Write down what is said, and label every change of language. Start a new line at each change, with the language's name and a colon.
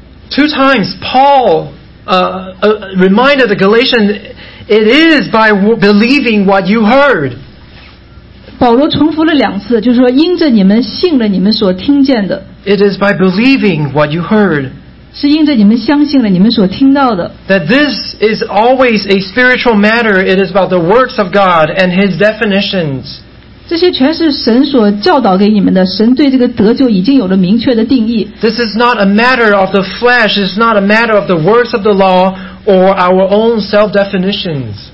English: Two times Paul reminded the Galatians, "It is by believing what you heard."
Chinese: 保罗重复了两次，就是说因着你们信了你们所听见的。
English: It is by believing what you heard.
Chinese: 是因着你们相信了你们所听到的。
English: That this is always a spiritual matter. It is about the works of God and His definitions.
Chinese: 这些全是神所教导给你们的，神对这个得救已经有了明确的定义。
English: This is not a matter of the flesh. It's not a matter of the works of the law or our own self-definitions.